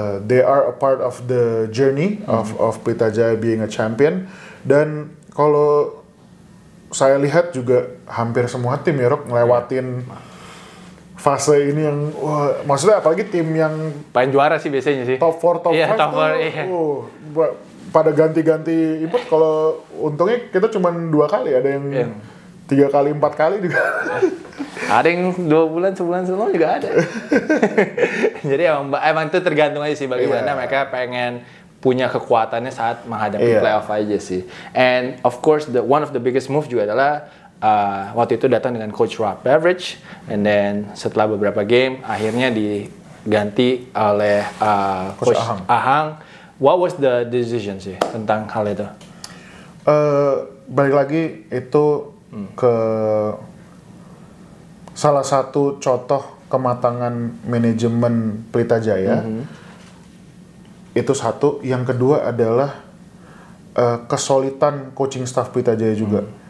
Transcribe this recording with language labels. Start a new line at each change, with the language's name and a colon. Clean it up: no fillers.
English: They are a part of the journey of Pelita Jaya being a champion.
Indonesian: Dan kalau saya lihat juga hampir semua tim ya, Rok, ngelewatin fase ini yang, wah, maksudnya apalagi tim yang paling juara sih biasanya sih.
English: Top 4, top 5, yeah, top 4, iya.
Indonesian: Pada ganti-ganti input, kalau untungnya kita cuma 2 kali, ada yang 3 kali, 4 kali juga. Ada yang 2 bulan, sebulan, sebelum juga ada. Jadi emang itu tergantung aja sih bagaimana mereka pengen punya kekuatannya saat menghadapi playoff aja sih.
English: And of course, the one of the biggest move
Indonesian: juga adalah waktu itu datang dengan Coach Rob Beveridge,
English: and then
Indonesian: setelah beberapa game, akhirnya diganti oleh Coach Ahang. Ahang.
English: What was the decision sih tentang hal itu?
Indonesian: Balik lagi, itu ke salah satu contoh kematangan manajemen Pelita Jaya. Itu satu. Yang kedua adalah kesulitan coaching staff Pelita Jaya juga.